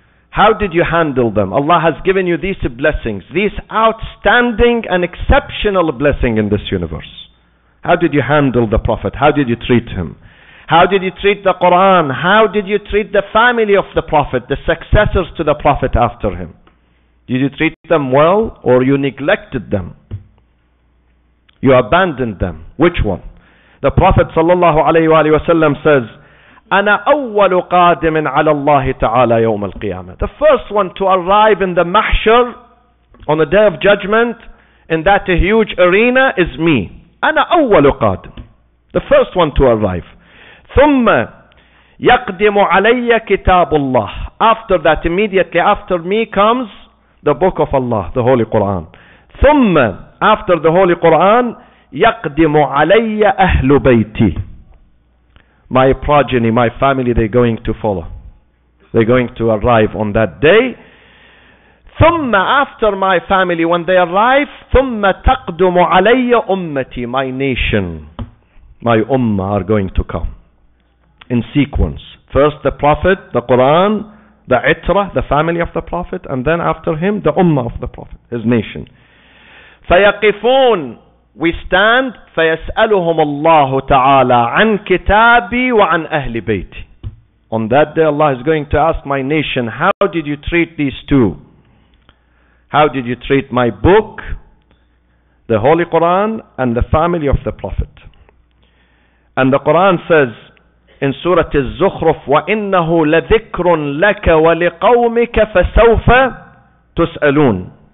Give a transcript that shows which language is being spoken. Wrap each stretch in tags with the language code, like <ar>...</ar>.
<en>How did you handle them? Allah has given you these blessings, these outstanding and exceptional blessings in this universe. How did you handle the Prophet? How did you treat him? How did you treat the Quran? How did you treat the family of the Prophet, the successors to the Prophet after him? Did you treat them well or you neglected them? You abandoned them. Which one? The Prophet sallallahu alayhi wa sallam says,</en> <ar>أنا أول قادم على الله تعالى يوم القيامة.</ar> <en>The first one to arrive in the mahshar on the day of judgment in that huge arena is me.</en> <ar>أنا أول قادم.</ar> <en>The first one to arrive.</en> <ar>ثم يقدم علي كتاب الله.</ar> <en>After that, immediately after me comes the book of Allah, the Holy Quran.</en> <ar>ثم</ar> <en>after the Holy Quran</en> <ar>يقدم علي أهل بيتي.</ar> <en>My progeny, my family, they're going to follow. They're going to arrive on that day. ثم after my family, when they arrive,</en> <ar>ثم تقدم علي أمتي,</ar> <en>my nation, my ummah are going to come. In sequence. First the Prophet, the Quran, the Itra, the family of the Prophet, and then after him, the ummah of the Prophet, his nation.</en> <ar>فيقفون.</ar> <en>We stand,</en> <ar>فَيَسْأَلُهُمُ اللَّهُ تَعَالَىٰ عَنْ كِتَابِي وَعَنْ أَهْلِ بَيْتِ.</ar> <en>On that day, Allah is going to ask my nation, how did you treat these two? How did you treat my book, the Holy Quran, and the family of the Prophet? And the Quran says, in Surah Al-Zukhruf,</en> <ar>وَإِنَّهُ لَذِكْرٌ لَكَ وَلِقَوْمِكَ فَسَوْفَ تُسْأَلُونَ.</ar>